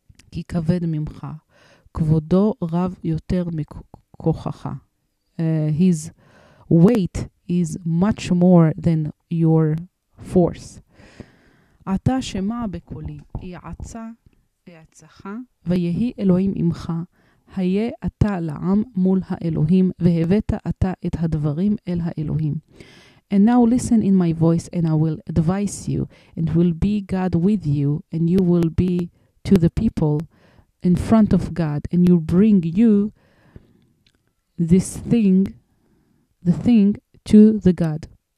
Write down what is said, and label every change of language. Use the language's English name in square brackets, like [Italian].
[Hebrew] כי כבד ממך, כבודו רב יותר מכוחך. [English] His weight is much more than your force. [Hebrew] אתה שמע בקולי, יעצה ויעצך, ויהי אלוהים עמך, היה אתה לעם מול האלוהים, והבאת אתה את הדברים אל האלוהים. [English] And now listen in my voice, and I will advise you, and will be God with you, and you will be to the people in front of God, and you bring you this thing, the thing, to the God.